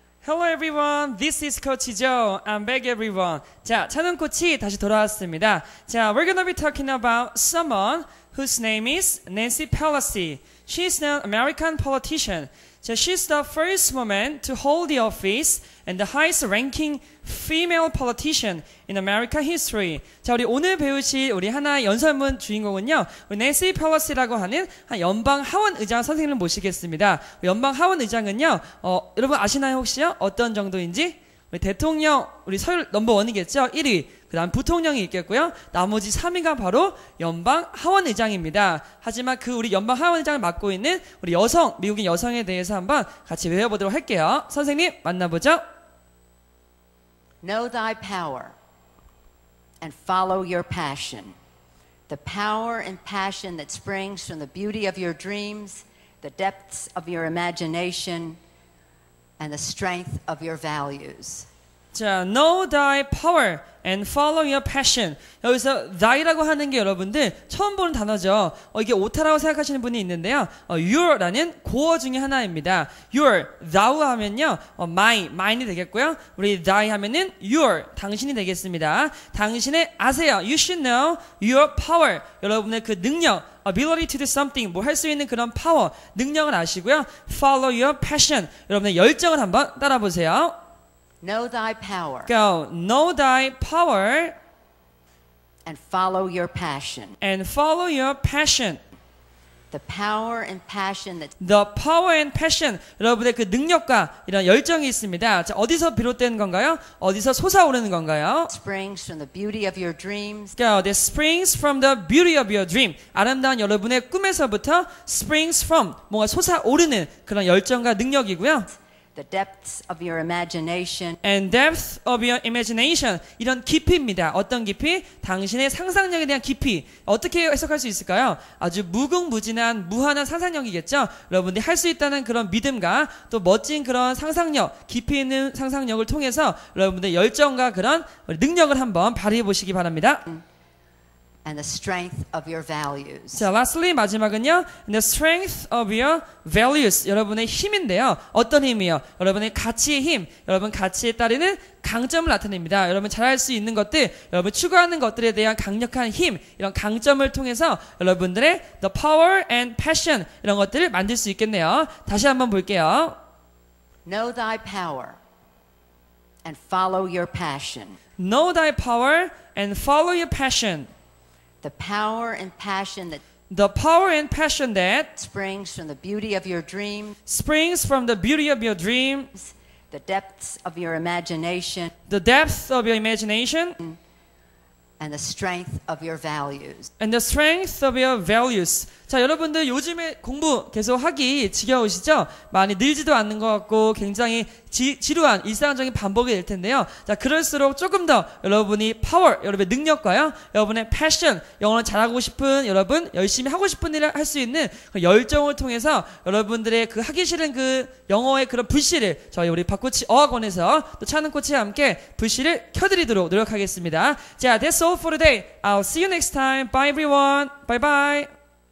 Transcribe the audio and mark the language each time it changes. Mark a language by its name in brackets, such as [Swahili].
[English] Hello everyone, this is Coach Joe. I'm back everyone. [Korean] 자, 차는 코치 다시 돌아왔습니다. [English] 자, we're gonna be talking about someone whose name is Nancy Pelosi. She's an American politician. So she's the first woman to hold the office and the highest ranking female politician in American history. [Korean] 자, 우리 오늘 배우실 우리 하나의 연설문 주인공은요. 우리 Nancy Pelosi라고 하는 한 연방 하원 의장 선생님을 모시겠습니다. 연방 하원 의장은요. 여러분 아시나요, 혹시요? 어떤 정도인지? 우리 대통령 우리 서열 넘버원이겠죠? 1위. 그다음 부통령이 있겠고요. 나머지 3위가 바로 연방 하원의장입니다. 하지만 그 우리 연방 하원의장을 맡고 있는 우리 여성, 미국인 여성에 대해서 한번 같이 외워보도록 할게요. 선생님, 만나보죠. [English] Know thy power and follow your passion. The power and passion that springs from the beauty of your dreams, the depths of your imagination, and the strength of your values. 자, know thy power and follow your passion. [Korean] 여기서 thy라고 하는 게 여러분들 처음 보는 단어죠. 이게 오타라고 생각하시는 분이 있는데요. your라는 고어 중에 하나입니다. your, thou 하면요. mine이 되겠고요. 우리 thy 하면은 your, 당신이 되겠습니다. 당신의 아세요. [English] You should know your power. [Korean] 여러분의 그 능력, [English] ability to do something, [Korean] 뭐 할 수 있는 그런 파워, 능력을 아시고요. [English] follow your passion. [Korean] 여러분의 열정을 한번 따라보세요. [English] Know thy power. Go. Know thy power. And follow your passion. And follow your passion. The power and passion that. The power and passion. [Korean] 여러분의 그 능력과 이런 열정이 있습니다. 자, 어디서 비롯된 건가요? 어디서 솟아오르는 건가요? [English] Springs from the beauty of your dreams. Go. The springs from the beauty of your dream. [Korean] 아름다운 여러분의 꿈에서부터 [English] springs from [Korean] 뭔가 솟아오르는 그런 열정과 능력이고요. [English] The depths of your imagination. And depth of your imagination. [Korean] 이런 깊이입니다. 어떤 깊이? 당신의 상상력에 대한 깊이. 어떻게 해석할 수 있을까요? 아주 무궁무진한, 무한한 상상력이겠죠? 여러분들이 할 수 있다는 그런 믿음과 또 멋진 그런 상상력, 깊이 있는 상상력을 통해서 여러분들 열정과 그런 능력을 한번 발휘해 보시기 바랍니다. [English] And the strength of your values. So lastly, [Korean] 마지막은요. [English] And the strength of your values. [Korean] 여러분의 힘인데요. 어떤 힘이요? 여러분의 가치의 힘. 여러분 가치에 따르는 강점을 나타냅니다. 여러분 잘할 수 있는 것들, 여러분 추구하는 것들에 대한 강력한 힘, 이런 강점을 통해서 여러분들의 [English] the power and passion [Korean] 이런 것들을 만들 수 있겠네요. 다시 한번 볼게요. [English] Know thy power and follow your passion. Know thy power and follow your passion. The power and passion that The power and passion that springs from the beauty of your dream springs from the beauty of your dreams the depths of your imagination the depths of your imagination and the strength of your values and the strength of your values [Korean] 자, 여러분들 요즘에 공부 계속 하기 지겨우시죠? 많이 늘지도 않는 것 같고 굉장히 지루한 일상적인 반복이 될 텐데요. 자, 그럴수록 조금 더 여러분이 파워, 여러분의 능력과요. 여러분의 패션, 영어를 잘하고 싶은 여러분, 열심히 하고 싶은 일을 할 수 있는 그 열정을 통해서 여러분들의 그 하기 싫은 그 영어의 그런 불씨를 저희 우리 박코치 어학원에서 또 차는 코치와 함께 불씨를 켜드리도록 노력하겠습니다. 자, [English] that's all for today. I'll see you next time. Bye everyone. Bye bye.